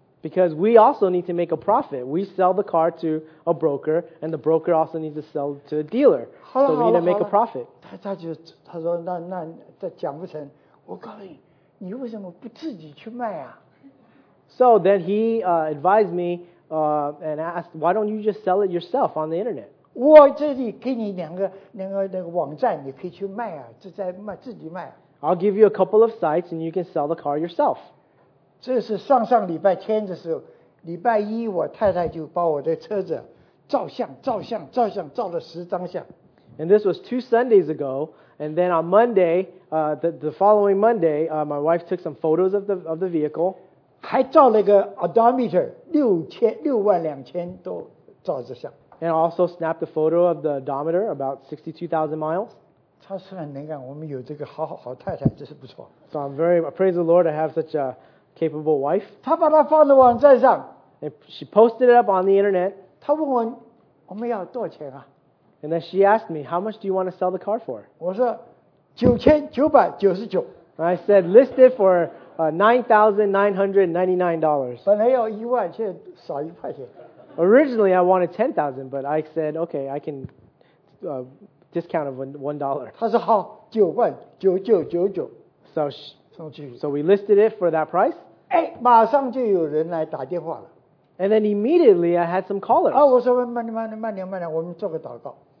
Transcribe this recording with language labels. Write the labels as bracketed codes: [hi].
[en] Because we also need to make a profit. We sell the car to a broker, and the broker also needs to sell to a dealer. [zh] 好了, [en] so we need to make a profit. [zh] 他说那讲不成，我告诉你。你为什么不自己去卖啊? [en] So then he advised me and asked, why don't you just sell it yourself on the internet? [zh] 我这里给你两个网站，你可以去卖啊，就在卖自己卖。 [en] I'll give you a couple of sites and you can sell the car yourself. [zh] 这是上上礼拜天的时候，礼拜一我太太就把我的车子照相，照了10张相。 [en] And this was 2 Sundays ago, and then on Monday, the following Monday, my wife took some photos of the vehicle. [zh] 还照了一个 odometer, 6,000, 62,000多照着相。 [en] And also snapped a photo of the odometer, about 62,000 miles. [zh] 他是很能干，我们有这个好好太太，这是不错。 [en] So I'm very, praise the Lord, I have such a capable wife. [zh] 他把它放在网站上。 [en] And she posted it up on the internet. [zh] 他问我们要多少钱啊？ [en] And then she asked me, how much do you want to sell the car for? [zh] 我说9999。 [en] I said, listed for $9,999. [zh] 本来要1万，却少1块钱。 [en] Originally, I wanted $10,000, but I said, okay, I can discount of $1. [zh] 他说好，9万9999。 [en] So we listed it for that price. [zh] 哎，马上就有人来打电话了。 [en] And then immediately, I had some callers. [zh] 啊，我说慢点，我们做个祷告。